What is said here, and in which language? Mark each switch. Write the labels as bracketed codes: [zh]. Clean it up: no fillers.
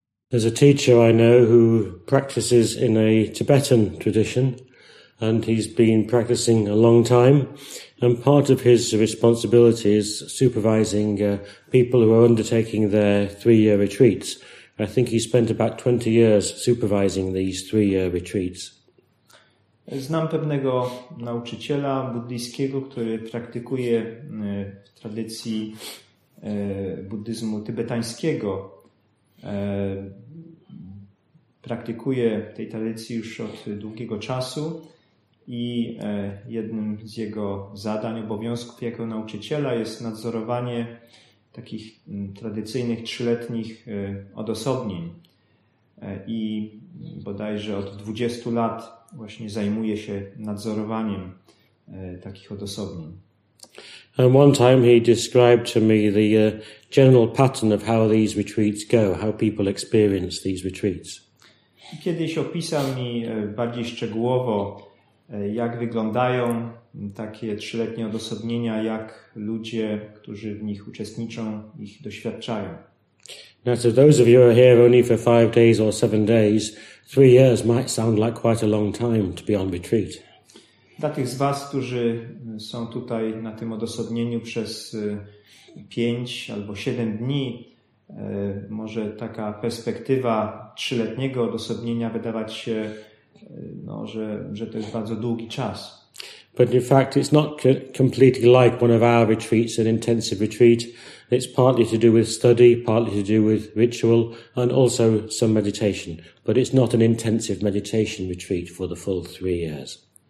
[en] There's a teacher I know who practices in a Tibetan tradition, and he's been practicing a long time. And part of his responsibility is supervising people who are undertaking their 3-year retreats. I think he spent about 20 years supervising these 3-year retreats. [pl] Znam pewnego nauczyciela buddyjskiego, który praktykuje w tradycji buddyzmu tybetańskiego. Praktykuje w tej tradycji już od długiego czasu i jednym z jego zadań, obowiązków jako nauczyciela jest nadzorowanie takich tradycyjnych 3-letnich odosobnień. I bodajże od 20 lat właśnie zajmuje się nadzorowaniem takich odosobnień. [en] And one time he described to me the general pattern of how these retreats go, how people experience these retreats. [pl] I kiedyś opisał mi bardziej szczegółowo, jak wyglądają takie 3-letnie odosobnienia, jak ludzie, którzy w nich uczestniczą, ich doświadczają. [en] Now, to those of you who are here only for 5 days or 7 days, 3 years might sound like quite a long time to be on retreat. [pl] Dla tych z Was, którzy są tutaj na tym odosobnieniu przez 5 albo 7 dni, może taka perspektywa 3-letniego odosobnienia wydawać się, no, że to jest bardzo długi czas. [en] But in fact, it's not completely like one of our retreats, an intensive retreat. It's partly to do with study, partly to do with ritual, and also some meditation. But it's not an intensive meditation retreat for the full 3 years.